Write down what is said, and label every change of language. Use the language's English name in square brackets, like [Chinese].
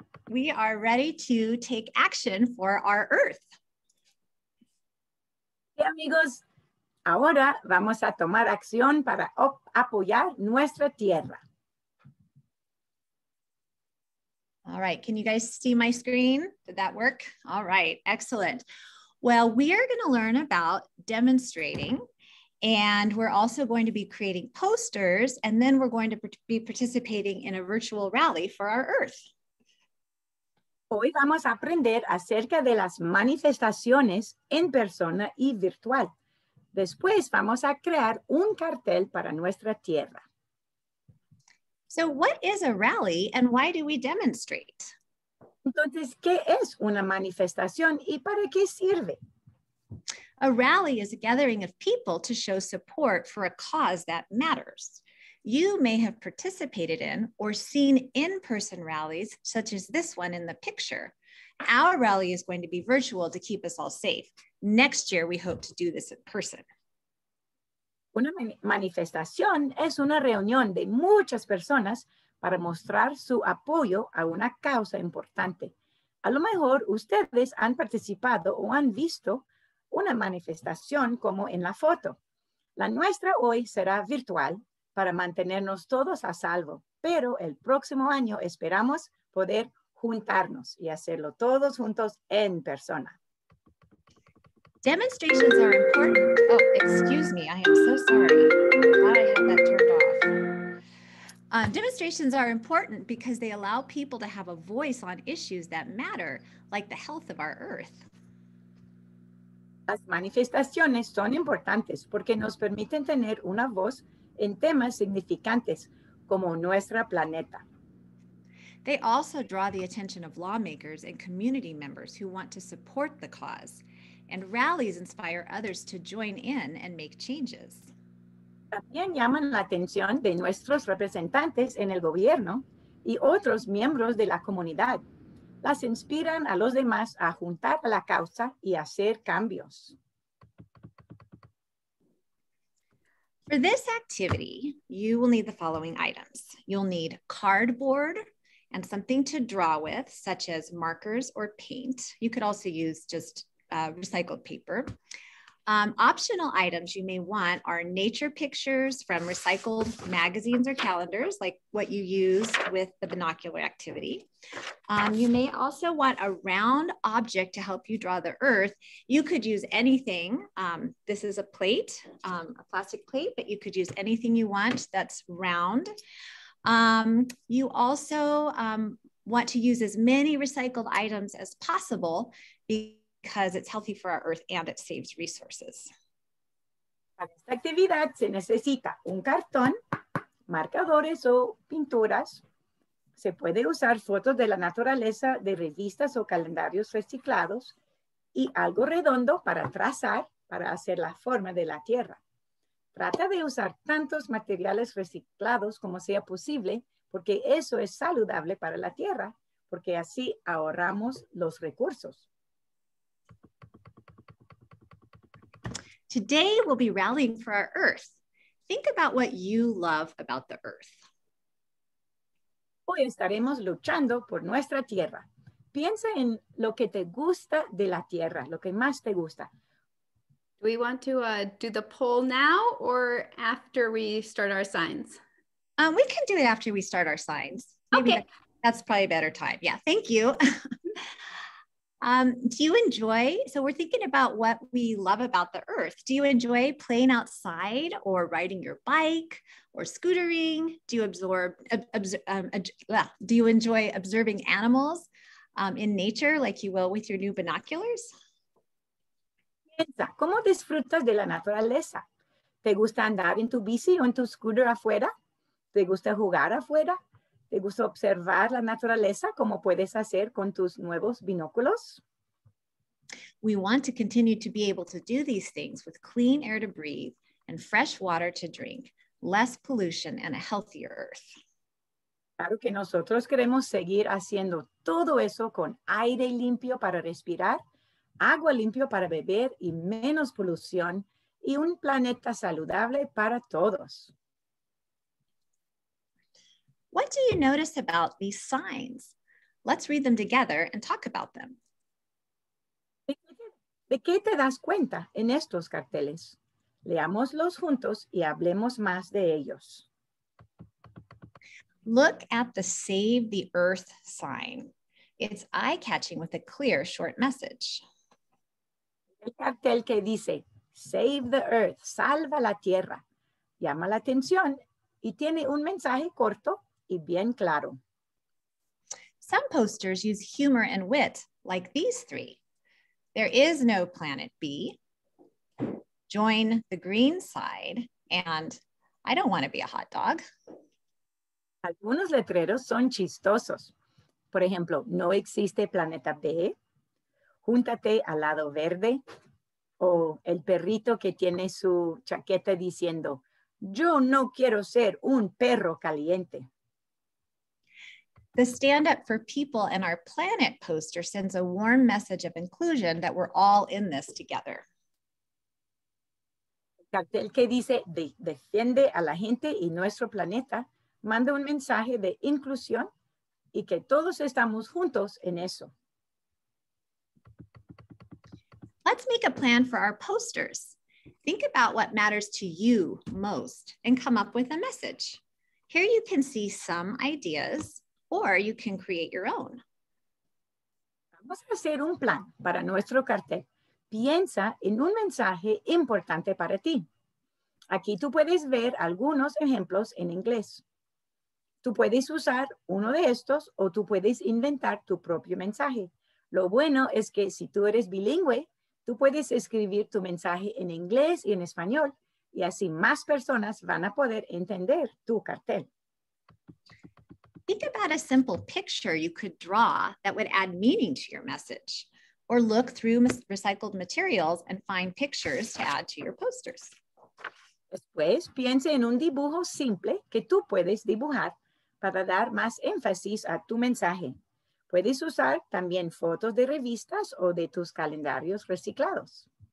[English] We are ready to take action for our Earth. [Spanish] Y amigos, ahora vamos a tomar acción para apoyar nuestra tierra. [English] All right, can you guys see my screen? Did that work? All right, excellent. Well, we are going to learn about demonstrating, and we're also going to be creating posters, and then we're going to be participating in a virtual rally for our Earth. [Spanish] Hoy vamos a aprender acerca de las manifestaciones en persona y virtual. Después vamos a crear un cartel para nuestra tierra. [English] So what is a rally and why do we demonstrate? [Spanish] Entonces, ¿qué es una manifestación y para qué sirve? [English] A rally is a gathering of people to show support for a cause that matters. You may have participated in or seen in-person rallies, such as this one in the picture. Our rally is going to be virtual to keep us all safe. Next year, we hope to do this in person. [Spanish] Una manifestación es una reunión de muchas personas para mostrar su apoyo a una causa importante. A lo mejor ustedes han participado o han visto una manifestación como en la foto. La nuestra hoy será virtual para mantenernos todos a salvo, pero el próximo año esperamos poder juntarnos y hacerlo todos juntos en persona. [English] Demonstrations are important. Oh, excuse me, I am so sorry. I thought I had that turned off. Demonstrations are important because they allow people to have a voice on issues that matter, like the health of our Earth. [Spanish] Las manifestaciones son importantes porque nos permiten tener una voz en temas significantes, como nuestra planeta. [English] They also draw the attention of lawmakers and community members who want to support the cause, and rallies inspire others to join in and make changes. [Spanish] También llaman la atención de nuestros representantes en el gobierno y otros miembros de la comunidad. Las inspiran a los demás a juntar a la causa y hacer cambios. [English] For this activity, you will need the following items. You'll need cardboard and something to draw with, such as markers or paint. You could also use just recycled paper. Optional items you may want are nature pictures from recycled magazines or calendars, like what you use with the binocular activity. You may also want a round object to help you draw the Earth. You could use anything. This is a plate, a plastic plate, but you could use anything you want that's round. You also want to use as many recycled items as possible because it's healthy for our Earth and it saves resources. [Spanish] Para esta actividad se necesita un cartón, marcadores o pinturas. Se puede usar fotos de la naturaleza de revistas o calendarios reciclados y algo redondo para trazar, para hacer la forma de la tierra. Trata de usar tantos materiales reciclados como sea posible porque eso es saludable para la tierra porque así ahorramos los recursos. [English] Today we'll be rallying for our Earth. Think about what you love about the Earth. [Spanish] Hoy estaremos luchando por nuestra tierra. Piensa en lo que te gusta de la tierra, lo que más te gusta. [English] Do we want to do the poll now or after we start our signs? We can do it after we start our slides. Maybe okay. That's probably a better time. Yeah, thank you. do you enjoy, so we're thinking about what we love about the earth. Do you enjoy playing outside or riding your bike or scootering? Do you enjoy observing animals in nature like you will with your new binoculars? [Spanish] Piensa, ¿cómo disfrutas de la naturaleza? ¿Te gusta andar en tu bici o en tu scooter afuera? ¿Te gusta jugar afuera? ¿Te gusta observar la naturaleza como puedes hacer con tus nuevos binóculos? [English] We want to continue to be able to do these things with clean air to breathe and fresh water to drink, less pollution and a healthier earth. [Spanish] Claro que nosotros queremos seguir haciendo todo eso con aire limpio para respirar, agua limpio para beber y menos polución y un planeta saludable para todos. [English] What do you notice about these signs? Let's read them together and talk about them. [Spanish] ¿De qué te das cuenta en estos carteles? Leámoslos juntos y hablemos más de ellos. [English] Look at the Save the Earth sign. It's eye-catching with a clear short message. [Spanish] El cartel que dice [English] Save the Earth, [Spanish] salva la tierra, llama la atención y tiene un mensaje corto. Y bien claro. [English] Some posters use humor and wit, like these three. There is no planet B, join the green side, and I don't want to be a hot dog. [Spanish] Algunos letreros son chistosos. Por ejemplo, no existe planeta B, júntate al lado verde, o el perrito que tiene su chaqueta diciendo, yo no quiero ser un perro caliente. [English] The Stand Up for People and Our Planet poster sends a warm message of inclusion that we're all in this together. [Spanish] El cartel que dice defiende a la gente y nuestro planeta manda un mensaje de inclusión y que todos estamos juntos en eso. [English] Let's make a plan for our posters. Think about what matters to you most and come up with a message. Here you can see some ideas. Or you can create your own. [Spanish] Vamos a hacer un plan para nuestro cartel. Piensa en un mensaje importante para ti. Aquí tú puedes ver algunos ejemplos en inglés. Tú puedes usar uno de estos o tú puedes inventar tu propio mensaje. Lo bueno es que si tú eres bilingüe, tú puedes escribir tu mensaje en inglés y en español y así más personas van a poder entender tu cartel. [English] Think about a simple picture you could draw that would add meaning to your message, or look through recycled materials and find pictures to add to your posters. [Spanish] Después, piense en un dibujo simple que tú puedes dibujar para dar más énfasis a tu mensaje. Puedes usar también fotos de revistas o de tus calendarios reciclados.